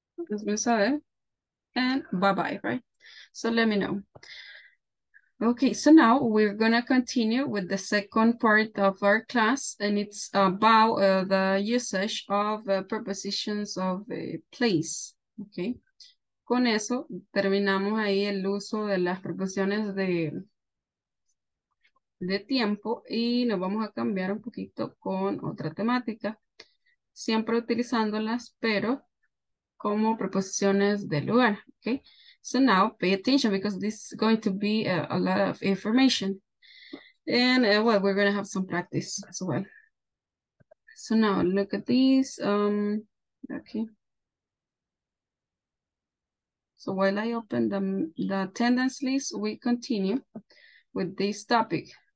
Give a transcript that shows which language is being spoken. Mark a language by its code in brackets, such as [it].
[es] Hazme saber. [en] And bye-bye, right? So let me know. Okay, so now we're going to continue with the second part of our class, and it's about the usage of prepositions of place, okay? [es] Con eso terminamos ahí el uso de las preposiciones de tiempo y nos vamos a cambiar un poquito con otra temática, siempre utilizándolas, pero como preposiciones de lugar, okay? [en] So now pay attention because this is going to be a lot of information. And well, we're going to have some practice as well. So now look at these. Okay. So while I open the attendance list, we continue with this topic.